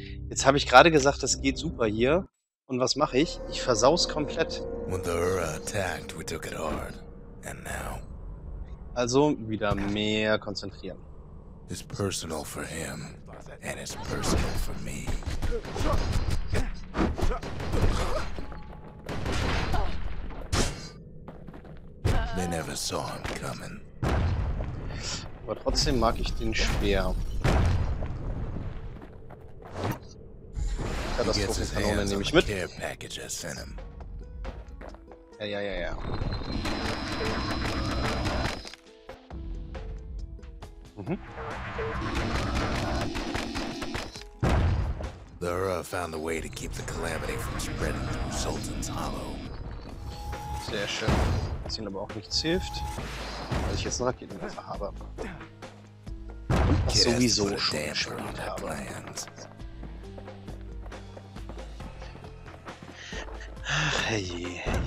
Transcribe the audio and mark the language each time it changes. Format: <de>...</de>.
<de>Jetzt habe ich gerade gesagt, das geht super hier. Und was mache ich? Ich versau's komplett.</de> <en>When the Hurra attacked, we took it hard. And now.</en> <de>Also wieder mehr konzentrieren.</de> <en>is personal for him, and it's personal for me. They never saw him coming.</en> <de>Aber trotzdem mag ich den Speer. Katastrophenkanone nehme ich mit. Ja.</de> <en>The Ura found a way to keep the calamity from spreading through Sultan's Hollow.</en> <de>Sehr schön. Was ihnen aber auch nichts hilft, weil ich jetzt einen Raketenwerfer habe. Was sowieso schon gespielt habe. Ach, hey.</de>